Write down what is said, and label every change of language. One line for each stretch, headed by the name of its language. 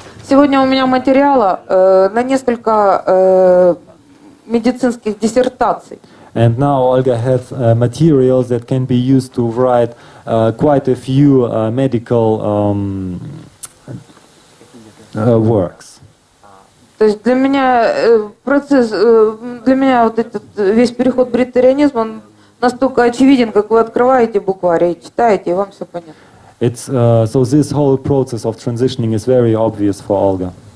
Russian: Сегодня у меня материала на несколько медицинских диссертаций.
English: And now Olga has materials that can be used to write quite a few medical works.
Russian: То есть для меня процесс, для меня вот этот весь переход бретарианизм, он настолько очевиден, как вы открываете букварь и читаете, и вам все понятно.
English: It's so this whole process of transitioning is very obvious for Olga.